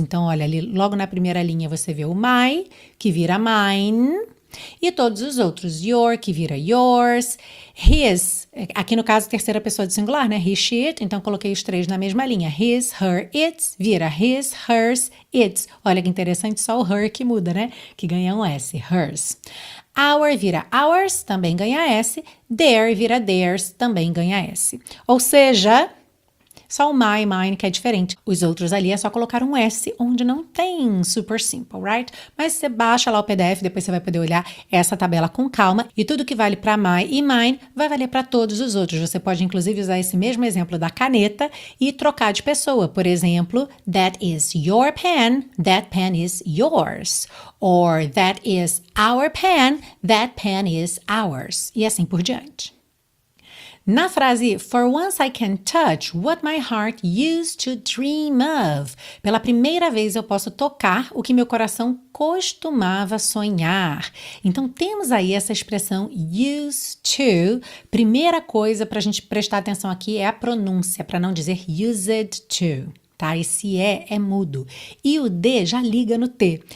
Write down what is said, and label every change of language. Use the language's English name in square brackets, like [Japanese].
[Portuguese] Então, olha ali, logo na primeira linha você vê o my, que vira mine, e todos os outros, your, que vira yours, his, aqui no caso, terceira pessoa do singular, né, he, she, it, então coloquei os três na mesma linha, his, her, its, vira his, hers, its, olha que interessante, só o her que muda, né, que ganha um S, hers, our vira ours, também ganha S, their vira theirs, também ganha S, ou seja, só o my, mine, que é diferente. Os outros ali é só colocar um S onde não tem [English] super simple, right? [Portuguese] Mas você baixa lá o PDF, depois você vai poder olhar essa tabela com calma. E tudo que vale para my e mine vai valer para todos os outros. Você pode, inclusive, usar esse mesmo exemplo da caneta e trocar de pessoa. Por exemplo, [English] that is your pen, that pen is yours. Or that is our pen, that pen is ours. [Portuguese] E assim por diante. Na frase, [English] for once I can touch what my heart used to dream of. [Portuguese] Pela primeira vez eu posso tocar o que meu coração costumava sonhar. Então temos aí essa expressão used to. Primeira coisa para a gente prestar atenção aqui é a pronúncia, para não dizer used to. Tá? Esse é mudo. E o D já liga no T.